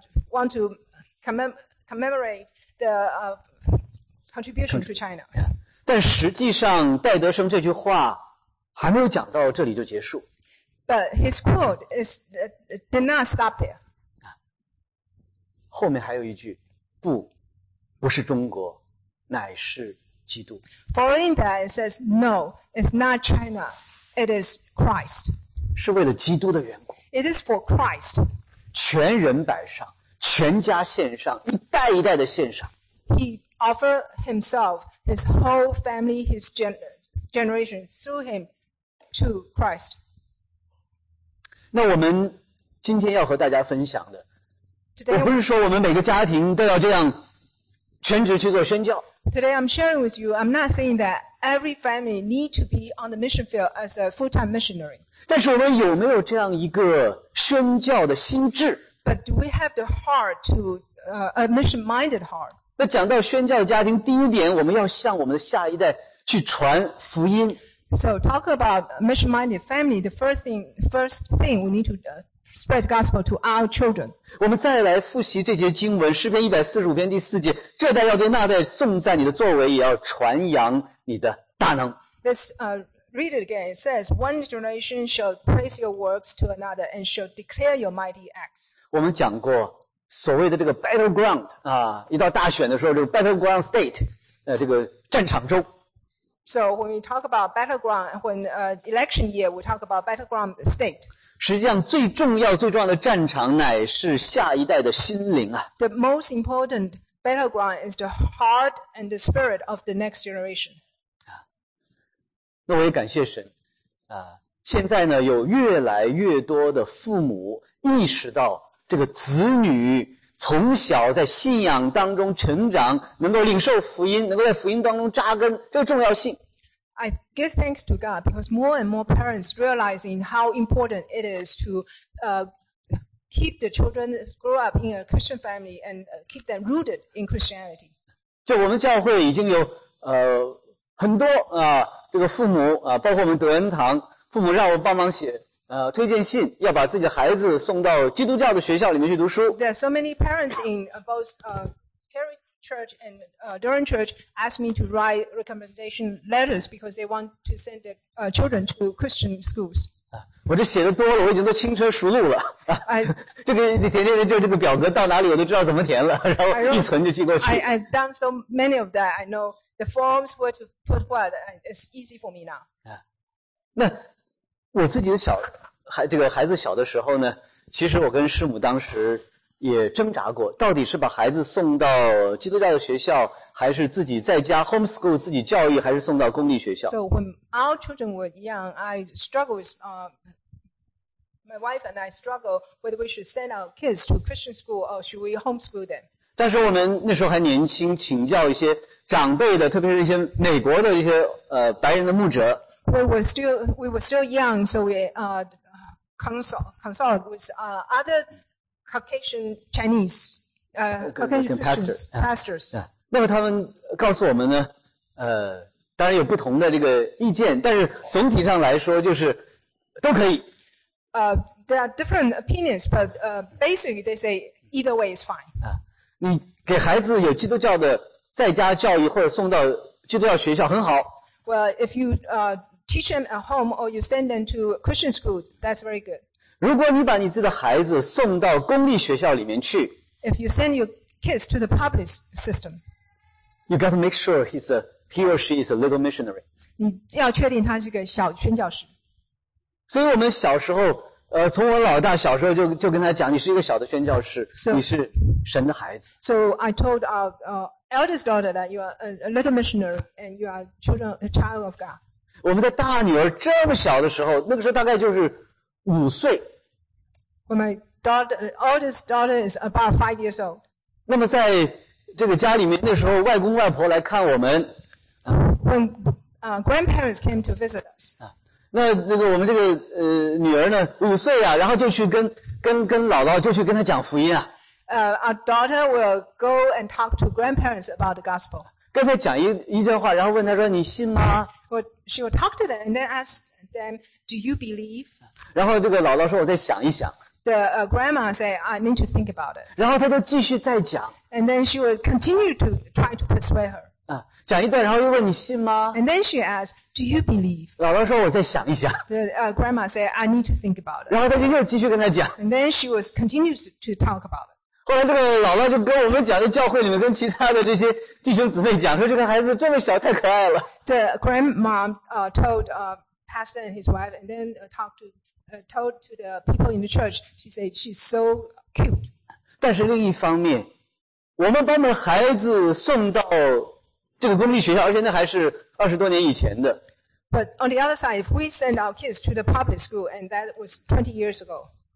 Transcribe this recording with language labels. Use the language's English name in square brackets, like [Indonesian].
[English] Want to commemorate the contribution to China. [Chinese] 但实际上戴德生这句话还没有讲到这里就结束。 [English] But his quote is, did not stop there. [Chinese] 后面还有一句，不是中国，乃是基督。 [English] Following that, it says, no, it's not China, it is Christ. [Chinese] 是为了基督的缘故。 [English] It is for Christ. [Chinese] 全人摆上，全家献上，一代一代的献上。 [English] He offered himself, his whole family, his generation through him to Christ. [Chinese] 那我们今天要和大家分享的，也不是说我们每个家庭都要这样全职去做宣教。 [English] Today I'm sharing with you, I'm not saying that every family need to be on the mission field as a full-time missionary. [Chinese] 但是我们有没有这样一个宣教的心智？ [English] But do we have the heart to, a mission-minded heart? [Chinese] 那讲到宣教家庭，第一点，我们要向我们的下一代去传福音。 [English] So talk about mission-minded family, the first thing we need to do. Spread gospel to our children. [Chinese] 我们再来复习这节经文，诗篇145篇第四节，这代要对那代颂赞你的作为，也要传扬你的大能。 [English] Let's read it again. It says, one generation shall praise your works to another and shall declare your mighty acts. [Chinese] 我们讲过所谓的这个 battleground, 啊，一到大选的时候，这个 [English] battleground state, [Chinese] 这个战场州。 [English] So when we talk about battleground, when election year, we talk about battleground state. [Chinese] 实际上最重要最重要的战场乃是下一代的心灵啊。 [English] The most important battleground is the heart and the spirit of the next generation. [Chinese] 那我也感谢神。现在呢有越来越多的父母意识到这个子女从小在信仰当中成长，能够领受福音，能够在福音当中扎根，这个重要性。 [English] I give thanks to God because more and more parents realizing how important it is to keep the children grow up in a Christian family and keep them rooted in Christianity. [Chinese] 就我们教会已经有很多这个父母包括我们德恩堂父母让我帮忙写推荐信，要把自己的孩子送到基督教的学校里面去读书。 [English] There are so many parents in both Church and Durham Church asked me to write recommendation letters because they want to send their children to Christian schools. [Chinese] 我这写的多了，我已经都轻车熟路了。这个填填填，就这个表格到哪里我都知道怎么填了，然后一存就寄过去。 [English] I've done so many of that. I know the forms where to put what. It's easy for me now. [Chinese] 那我自己的小孩，这个孩子小的时候呢，其实我跟师母当时。也挣扎过，到底是把孩子送到基督教的学校，还是自己在家 homeschool 自己教育，还是送到公立学校 [English] ？So when our children were young, I struggled with my wife and I struggled whether we should send our kids to Christian school or should we homeschool them. [Chinese] 但是我们那时候还年轻，请教一些长辈的，特别是一些美国的一些白人的牧者。 [English] We were still young, so we consulted with other. Caucasian Chinese, Caucasian pastors. [Chinese] 那么他们告诉我们呢，当然有不同的这个意见，但是总体上来说就是都可以。 [English] There are different opinions, but basically they say either way is fine. [Chinese] 你给孩子有基督教的在家教育或者送到基督教学校很好。 [English] Well, if you teach them at home or you send them to Christian school, that's very good. [Chinese] 如果你把你自己的孩子送到公立学校里面去 [English] ，If you send your kids to the public system, you got to make sure he or she is a little missionary. [Chinese] 你要确定他是个小宣教士。所以我们小时候，从我老大小时候就跟他讲，你是一个小的宣教士， [English] so, [Chinese] 你是神的孩子。 [English] So I told our eldest daughter that you are a little missionary and you are a child of God. [Chinese] 我们的大女儿这么小的时候，那个时候大概就是。五岁 [English] ，When my oldest daughter is about 5 years old. [Chinese] 那么在这个家里面，那时候外公外婆来看我们。 [English] When grandparents came to visit us. [Chinese] 那个我们这个女儿呢，五岁啊，然后就去跟姥姥就去跟她讲福音啊。 [English] Our daughter will go and talk to grandparents about the gospel. [Chinese] 跟她讲一句话，然后问她说：“你信吗？” [English] She will talk to them and then ask them, "Do you believe?" [Chinese] 然后这个姥姥说：“我再想一想。” [English] The grandma say, "I need to think about it." [Chinese] 然后她就继续再讲。 [English] And then she will continue to try to persuade her. [Chinese] 讲一段，然后又问你信吗 [English] ？And then she asks, "Do you believe?" [Chinese] 姥姥说：“我再想一想。” [English] The grandma say, "I need to think about it." [Chinese] 然后她就又继续跟她讲。 [English] And then she was continues to talk about it. [Chinese] 后来这个姥姥就跟我们讲，在教会里面跟其他的这些弟兄姊妹讲，说这个孩子这么小，太可爱了。 [English] The grandma told pastor and his wife, and then talked to. Told to the people in the church, she said she's so cute. [Chinese] 但是另一方面，我们把我们孩子送到这个公立学校，而且那还是20多年以前的。 [English] But on the other side, if we send our kids to the public school, and that was 20 years ago,